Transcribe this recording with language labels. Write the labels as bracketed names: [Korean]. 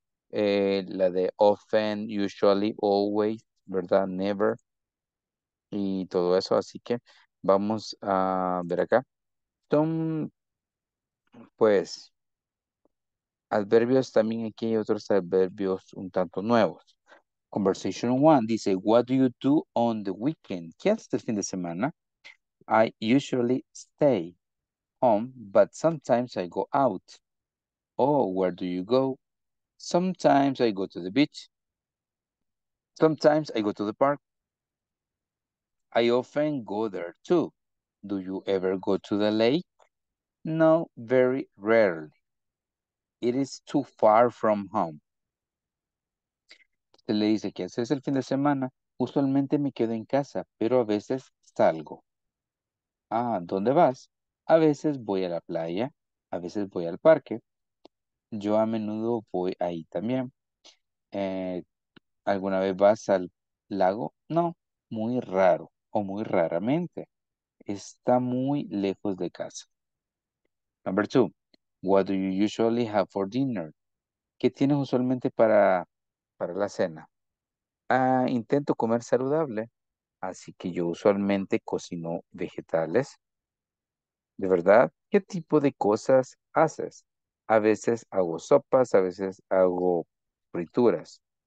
[Spanish] La de often, usually, always, ¿verdad? Never. Y todo eso. Así que vamos a ver acá. Son, pues, adverbios. También aquí hay otros adverbios un tanto nuevos. [English] Conversation one dice, what do you do on the weekend? [Spanish] ¿Qué haces el fin de semana? [English] I usually stay home, but sometimes I go out. Oh, where do you go? Sometimes I go to the beach. Sometimes I go to the park. I often go there too. Do you ever go to the lake? No, very rarely. It is too far from home. [Spanish] Usted le dice, ¿qué haces el fin de semana? Usualmente me quedo en casa, pero a veces salgo. Ah, ¿dónde vas? A veces voy a la playa, a veces voy al parque. Yo a menudo voy ahí también. ¿Alguna vez vas al lago? No, muy raro o muy raramente. Está muy lejos de casa. [English] Number two, what do you usually have for dinner? [Spanish] ¿Qué tienes usualmente para la cena? Intento comer saludable, así que yo usualmente cocino vegetales. ¿De verdad? ¿Qué tipo de cosas haces? A veces hago sopas, a veces hago frituras.